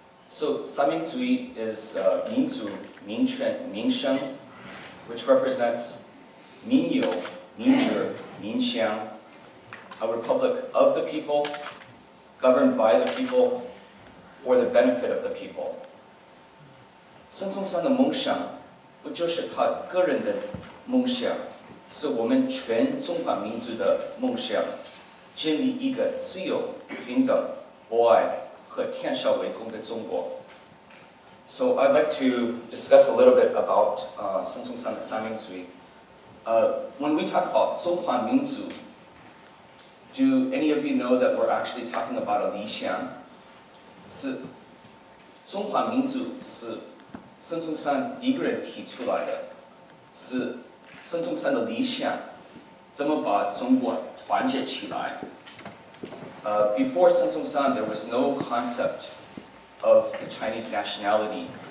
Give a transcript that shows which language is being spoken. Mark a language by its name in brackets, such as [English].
[English] So 三民主义 is [Chinese] 民族、民权、民生 [English] ，which represents [Chinese] 民有、民主、民享 [English] ，a republic of the people, governed by the people, for the benefit of the people。 [Chinese] 孙中山的梦想不就是他个人的梦想，是我们全中华民族的梦想，建立一个自由、平等、博爱和天下为公的中国。 [English] So I'd like to discuss a little bit about [Chinese] 孙中山的三民主义。 [English] When we talk about 中华民族， do any of you know that we're actually talking about a 理想？ [Chinese] 是中华民族是孙中山一个人提出来的，是孙中山的理想，怎么把中国团结起来。 [English] Before 孙中山 there was no concept of the Chinese nationality.